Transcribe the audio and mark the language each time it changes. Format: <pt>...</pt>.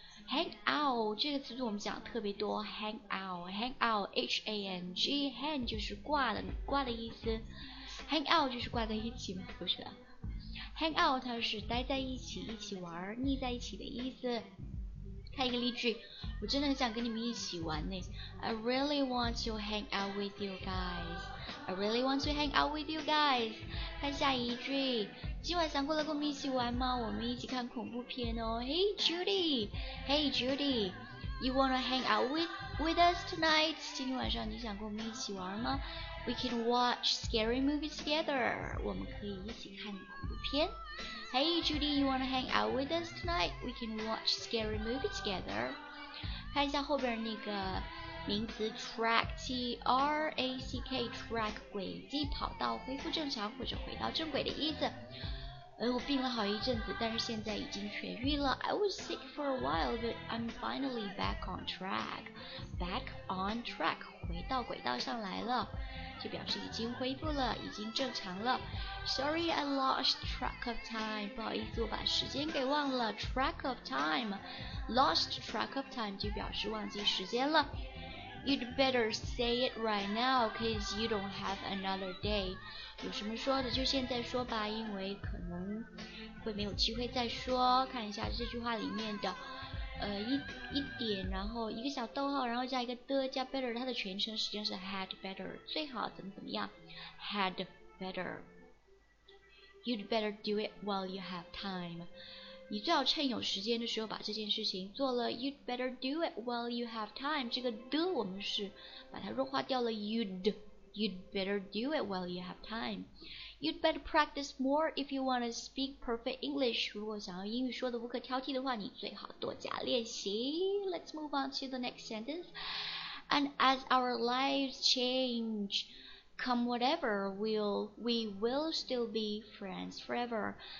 <en>Hang out</en> <zh>这个词组我们讲特别多。</zh> <en>Hang out, hang out, H-A-N-G.</en> <zh>Hang 就是挂的意思。Hang out 就是挂在一起嘛，不是的。 Hang out 它是待在一起，一起玩，腻在一起的意思。看一个例句，我真的很想跟你们一起玩呢。</zh> <en>I really want to hang out with you guys. I really want to hang out with you guys.</en> <zh>看下一句，今晚想过来跟我们一起玩吗？我们一起看恐怖片哦。</zh> <en>Hey Judy, Hey Judy, you wanna hang out with us tonight?</en> <zh>今天晚上你想跟我们一起玩吗？</zh> <en>We can watch scary movies together.</en> <zh>我们可以一起看恐怖片。</zh> <en>Hey Judy, you wanna hang out with us tonight? We can watch scary movies together.</en> <zh>看一下后边那个名词 track, T-R-A-C-K, track, 轨迹跑道，恢复正常或者回到正轨的意思。我病了好一阵子，但是现在已经痊愈了。</zh> <en>I was sick for a while, but I'm finally back on track. Back on track,</en> <zh>回到轨道上来了。就表示已经恢复了，已经正常了。</zh> <en>Sorry I lost track of time，</en> <zh>不好意思我把时间给忘了。 Track of time， Lost track of time 就表示忘记时间了。</zh> <en>You'd better say it right now cause you don't have another day，</en> <zh>有什么说的就现在说吧，因为可能会没有机会再说。看一下这句话里面的一点，然后一个小逗号，然后加一个的，加 better， 它的全称实际上是 had better， 最好怎么怎么样 ，had better。</zh> <en>You'd better do it while you have time。</en> <zh>你最好趁有时间的时候把这件事情做了。</zh> <en>You'd better do it while you have time。</en> <zh>这个的我们是把它弱化掉了。</zh> <en>You'd better do it while you have time。 You'd better practice more if you want to speak perfect English.</en> <zh>如果想要英语说得无可挑剔的话，你最好多加练习。</zh> <en>Let's move on to the next sentence. And as our lives change, come whatever, we will still be friends forever.</en>